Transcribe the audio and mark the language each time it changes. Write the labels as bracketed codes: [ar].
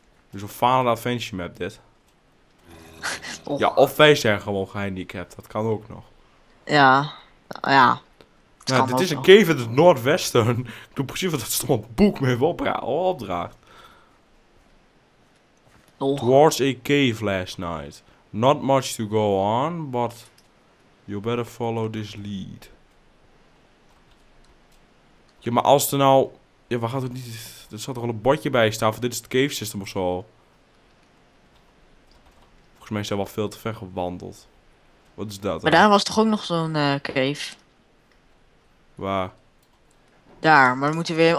[nl] Dus een falende adventure map, dit. Oh. Ja, of wij zijn gewoon gehandicapt. Dat kan ook nog. Ja, ja. Nou, dit is een cave in het noordwesten. Ik doe precies wat dat stomme boek me even opdraagt. Oh. [en] Towards a cave last night. Not much to go on, but you better follow this lead. [nl] Ja, maar als er nou... Ja, waar gaat het niet... Er zat toch al een bordje bij staan van dit is het cave system of zo. Volgens mij is dat wel veel te ver gewandeld. Wat is dat dan? Maar daar was toch ook nog zo'n cave? Waar? Daar, maar dan moeten we weer...